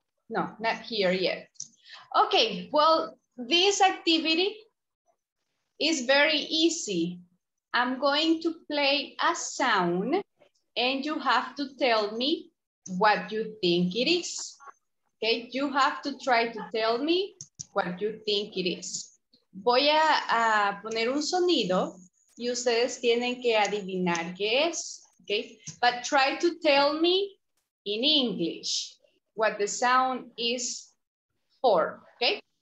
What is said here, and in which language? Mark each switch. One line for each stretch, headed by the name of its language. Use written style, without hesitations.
English: No, not here yet. Okay, well, this activity is very easy. I'm going to play a sound and you have to tell me what you think it is. Okay, you have to try to tell me what you think it is.
Spanish: Voy a poner un sonido y ustedes tienen que adivinar qué es.
English: Okay, but try to tell me in English what the sound is for, okay?